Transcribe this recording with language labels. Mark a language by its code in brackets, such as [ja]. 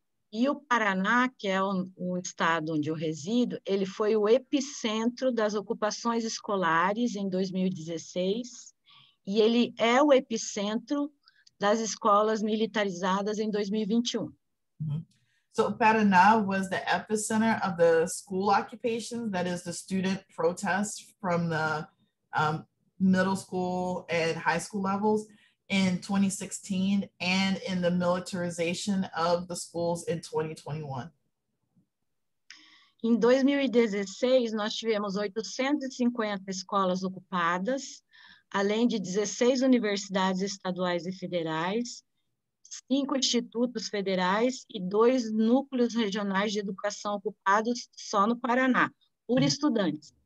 [pt] E o Paraná, que é o estado onde eu resido, ele foi o epicentro das ocupações escolares em 2016 e ele é o epicentro das escolas militarizadas em 2021. [en] So Paraná was the epicenter of the school occupation, that is the student protests from the middle school and high school levels in 2016 and in the militarization of the schools in 2021. [pt] Em 2016, nós tivemos 850 escolas ocupadas, além de 16 universidades estaduais e federais, 5 institutos federais e 2 núcleos regionais de educação ocupados só no Paraná, por estudantes.